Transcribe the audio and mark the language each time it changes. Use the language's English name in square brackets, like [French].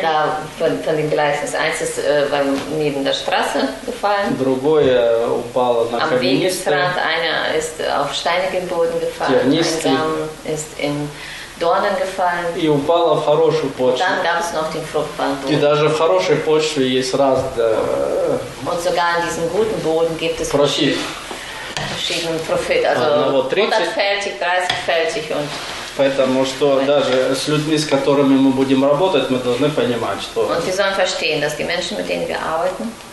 [Russian] Да, [German] von dem Gleis. Das eins ist neben der Straße gefallen. [Russian] Другое упало на [German] am Wegesrand. Einer ist auf steinigen Boden gefallen. Ein ist in Dornen gefallen. [Russian] И упало в хорошую почву. [German] Dann gab es noch den Fruchtbaren Boden. [Russian] И даже в хорошей почве есть раз... [German] Und sogar in diesem guten Boden gibt es verschiedene Profit. Also 30-fältig, 30-fältig und... [Russian] Поэтому что даже с людьми, с которыми мы будем работать, мы должны понимать, что... [German] Und wir sollen verstehen, dass die Menschen, mit denen wir arbeiten,